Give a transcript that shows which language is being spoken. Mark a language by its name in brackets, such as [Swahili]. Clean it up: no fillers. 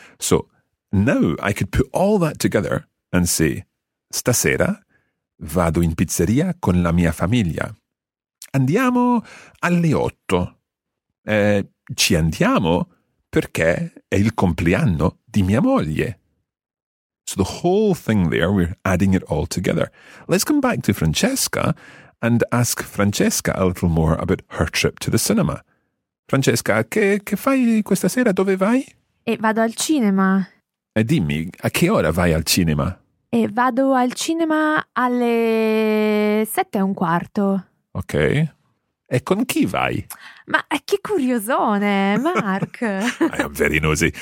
[English] So, now I could put all that together and say, [Italian] stasera vado in pizzeria con la mia famiglia. Andiamo alle 8. Ci andiamo perché è il compleanno di mia moglie. [English] So the whole thing there, we're adding it all together. Let's come back to Francesca and ask Francesca a little more about her trip to the cinema. [Italian] Francesca, che fai questa sera? Dove vai? E vado al cinema. E dimmi, a che ora vai al cinema? E vado al cinema alle 7:15. Ok. E con chi vai? Ma che curiosone, Mark! [English] I'm very nosy.